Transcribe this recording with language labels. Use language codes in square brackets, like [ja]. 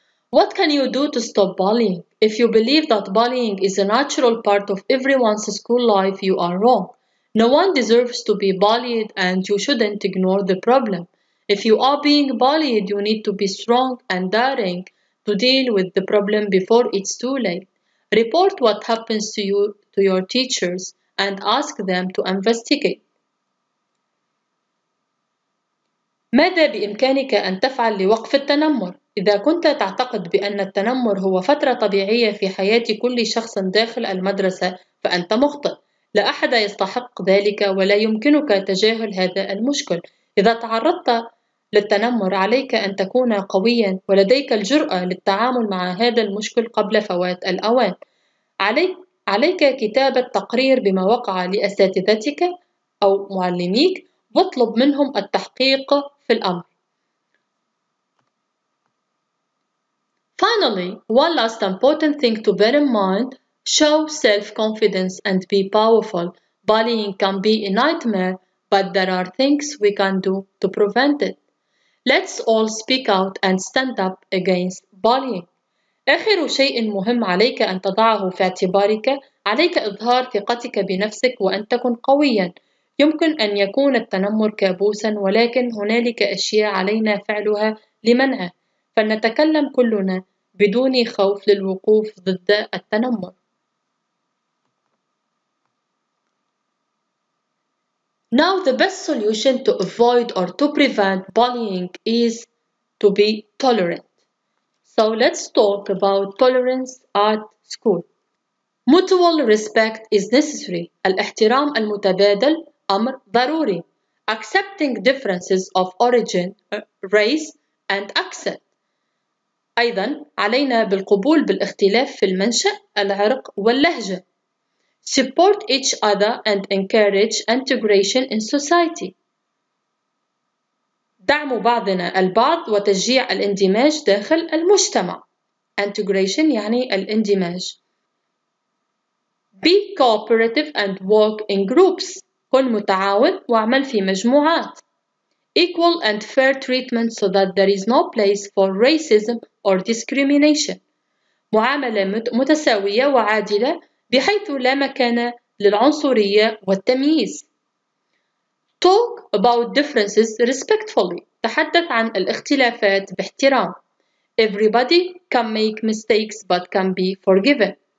[en] What can you do to stop bullying? If you believe that bullying is a natural part of everyone's school life, you are wrong. No one deserves to be bullied and you shouldn't ignore the problem. If you are being bullied, you need to be strong and daring to deal with the problem before it's too late. Report what happens to you to your teachers and ask them to investigate. [ar] ماذا بإمكانك أن تفعل لوقف التنمر؟ إذا كنت تعتقد بأن التنمر هو فترة طبيعية في حياة كل شخص داخل المدرسة، فأنت مخطئ. لا أحد يستحق ذلك، ولا يمكنك تجاهل هذا المشكل. إذا تعرضت للتنمر، عليك أن تكون قوياً ولديك الجرأة للتعامل مع هذا المشكل قبل فوات الأوان. عليك كتابة تقرير بما وقع لأساتذتك أو معلميك، واطلب منهم التحقيق في الأمر. [en] Finally, one last important thing to bear in mind: show self-confidence and be powerful. Bullying can be a nightmare, but there are things we can do to prevent it. Let's all speak out and stand up against bullying. [ar] آخر شيء مهم عليك أن تضعه في اعتبارك، عليك إظهار ثقتك بنفسك وأن تكون قوياً. يمكن أن يكون التنمر كابوساً، ولكن هنالك أشياء علينا فعلها لمنعه. فلنتكلم كلنا بدون خوف للوقوف ضد التنمر. [en] Now the best solution to avoid or to prevent bullying is to be tolerant. So let's talk about tolerance at school. Mutual respect is necessary. [ar] الاحترام المتبادل أمر ضروري. [en] Accepting differences of origin, race and accent. [ar] أيضا علينا بالقبول بالاختلاف في المنشأ، العرق واللهجة. [en] Support each other and encourage integration in society. [ar] دعم بعضنا البعض وتشجيع الاندماج داخل المجتمع. Integration يعني الاندماج. [en] Be cooperative and work in groups. [ar] كن متعاون واعمل في مجموعات. [en] Equal and fair treatment so that there is no place for racism or discrimination. [ar] معاملة متساوية وعادلة بحيث لا مكان للعنصرية والتمييز. [en] Talk about differences respectfully. [ar] تحدث عن الاختلافات باحترام. [en] Everybody can make mistakes but can be forgiven.